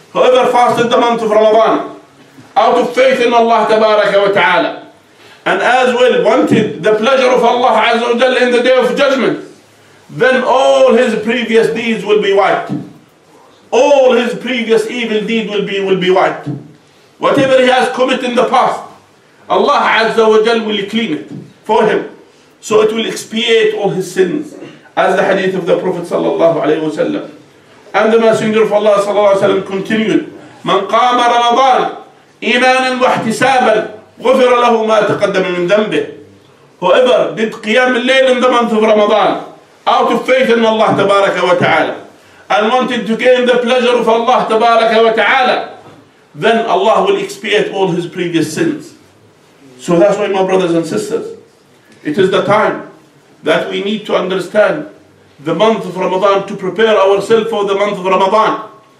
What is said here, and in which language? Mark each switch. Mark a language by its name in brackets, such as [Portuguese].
[English] Whoever fasted the month of Ramadan out of faith in Allah Tabaraka wa Ta'ala, and as well wanted the pleasure of Allah Azza wa Jal in the day of judgment, then all his previous deeds will be wiped. All his previous evil deeds will be wiped. Whatever he has committed in the past, Allah Azza wa Jal will clean it for him. So it will expiate all his sins, as the hadith of the Prophet Sallallahu Alaihi Wasallam. And the Messenger of Allah [Arabic] صلى الله عليه وسلم [English] continued, [Arabic] من قام رمضان إيمانا واحتسابا غفر له ما تقدم من ذنبه. [English] Whoever did قيام الليل in the month of Ramadan out of faith in Allah تبارك وتعالى and wanted to gain the pleasure of Allah تبارك وتعالى, then Allah will expiate all his previous sins. So that's why, my brothers and sisters, it is the time that we need to understand the month of Ramadan, to prepare ourselves for the month of Ramadan.